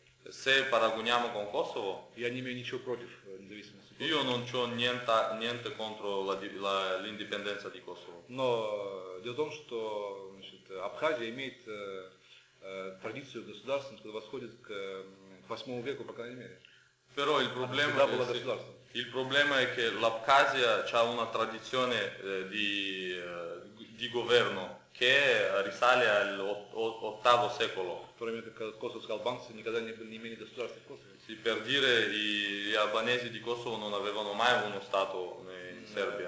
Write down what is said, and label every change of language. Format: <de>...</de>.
<it>Se paragoniamo con Kosovo, io non ho niente contro l'indipendenza di Kosovo.</it> <ru>Но дело в том, что Абхазия имеет традицию государственности, которая восходит к 8 веку, по крайней мере.</ru> <it>Però il problema è che l'Abkhazia ha una tradizione di governo che risale all'VIII secolo. Sì, per dire gli albanesi di Kosovo non avevano mai uno stato in Serbia.</it>